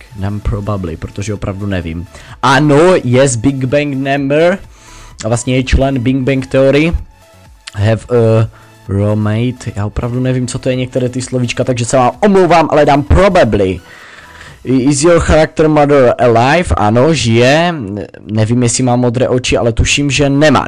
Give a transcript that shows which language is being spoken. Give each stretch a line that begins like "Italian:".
Czech: Nem probably, protože opravdu nevím. Ano, je z Big Bang member, a vlastně je člen Big Bang Theory.
English: Have a roommate,
Czech: já opravdu nevím, co to je některé ty slovíčka, takže se vám omlouvám, ale dám probably.
English: Is your character mother alive?
Czech: Ano, žije. Nevím, jestli má modré oči, ale tuším, že nemá.